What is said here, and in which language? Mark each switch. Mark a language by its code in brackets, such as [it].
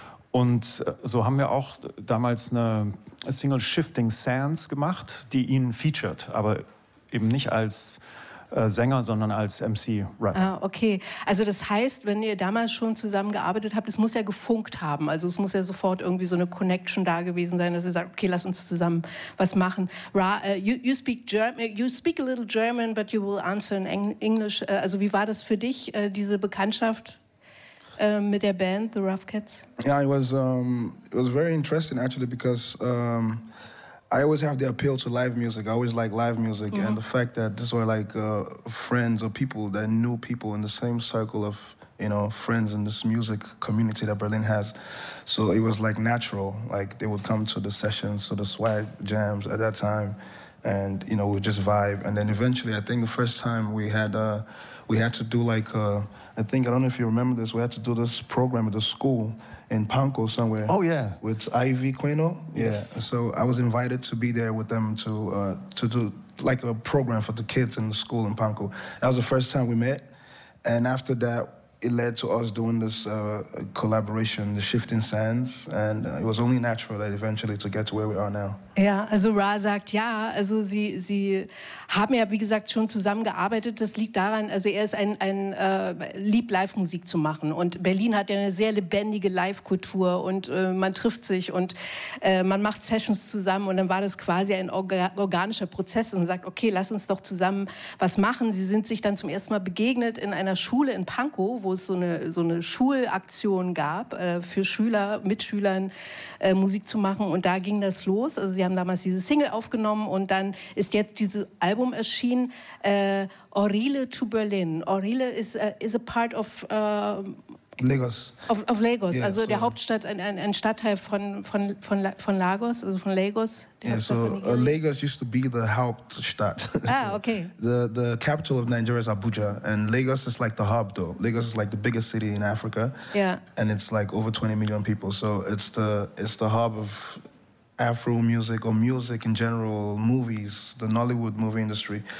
[de] Und so haben wir auch damals eine Single Shifting Sands gemacht, die ihn featured, aber eben nicht als Sänger, sondern als MC-Rapper. Ah, okay. Also das heißt, wenn ihr damals schon zusammengearbeitet habt, es muss ja gefunkt haben. Also es muss ja sofort irgendwie so eine Connection da gewesen sein, dass ihr sagt, okay, lass uns zusammen was machen. [en] Ra, you speak German, you speak a little German, but you will answer in English. [de] Also wie war das für dich, diese Bekanntschaft mit der Band, The Rough Cats? [en] Yeah, it was very interesting actually, because I always have the appeal to live music. I always like live music. Mm-hmm. And the fact that these were like friends or people that knew people in the same circle of, you know, friends in this music community that Berlin has. So it was like natural, like they would come to the sessions, to the swag jams at that time. And, you know, we'd just vibe. And then eventually, I think the first time we had to do like, I don't know if you remember this, we had to do this program at the school in Pankow somewhere. Oh yeah. With Ivy Quino. Yeah. Yes. So I was invited to be there with them to do like a program for the kids in the school in Pankow. That was the first time we met. And after that, it led to us doing this collaboration, The Shifting Sands. And it was only natural that eventually to get to where we are now. [de] Ja, also Ra sagt ja, also sie haben ja, wie gesagt, schon zusammengearbeitet. Das liegt daran, also er ist ein liebt Live-Musik zu machen. Und Berlin hat ja eine sehr lebendige Live-Kultur und man trifft sich und man macht Sessions zusammen. Und dann war das quasi ein organischer Prozess und man sagt, okay, lass uns doch zusammen was machen. Sie sind sich dann zum ersten Mal begegnet in einer Schule in Pankow, wo es so eine Schulaktion gab, für Schüler, Mitschülern Musik zu machen. Und da ging das los. Also Sie haben damals diese Single aufgenommen und dann ist jetzt dieses Album erschienen, Orile to Berlin. [en] Orile is a part of Lagos. Of Lagos, yeah, [de] also so der Hauptstadt, ein Stadtteil von Lagos, also von Lagos. [en] Ja, yeah, so Lagos used to be the Hauptstadt. Ah, so okay. The capital of Nigeria is Abuja and Lagos is like the hub though. Lagos is like the biggest city in Africa. Yeah. And it's like over 20 million people, so it's the hub of Afro music or music in general, movies, the Nollywood movie industry.